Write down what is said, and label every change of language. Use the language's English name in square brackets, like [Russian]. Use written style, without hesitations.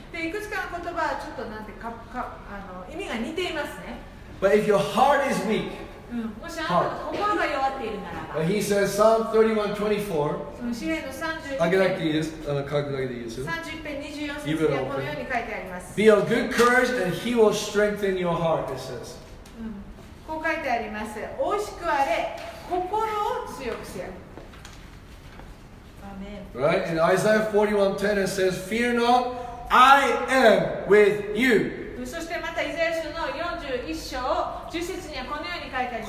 [Japanese] でいくつかの言葉はちょっとなんてかかあの意味が似ていますね。 [English] But if your heart is weak, [Japanese] もしあなたの心が弱っているならば。 [English] But he says Psalm 31:24. [Japanese] その詩篇の31 篇。開けなくていいです。あの書くだけでいいですよ。 31篇24節にはこのように書いてあります。 [English] Be of good courage and he will strengthen your heart. It says. [Japanese] こう書いてあります。おしくあれ、心を強くせよ。 [English] Right? In Isaiah 41:10 it says, Fear not. I am with you. [Japanese] そしてまたイザヤ書の41章10節にはこのように書いてあります。